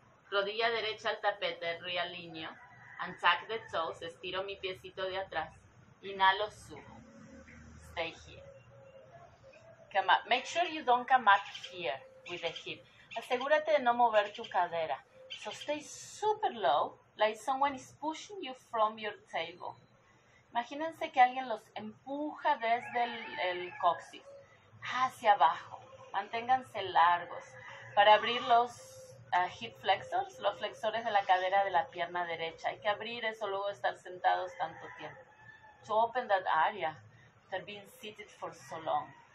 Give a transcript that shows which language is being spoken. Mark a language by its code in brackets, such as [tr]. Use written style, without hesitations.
[es] Rodilla derecha al tapete, realineo. [en] And tuck the toes, [es] estiro mi piecito de atrás. Inhalo, subo. [en] Stay here. Come up. Make sure you don't come up here with the hip. [es] Asegúrate de no mover tu cadera. [en] So stay super low, like someone is pushing you from your table. [es] Imagínense que alguien los empuja desde el coxis. Hacia abajo. Manténganse largos. Para abrir los hip flexors, los flexores de la cadera de la pierna derecha. Hay que abrir eso luego de estar sentados tanto tiempo. [en] To open that area after being seated for so long.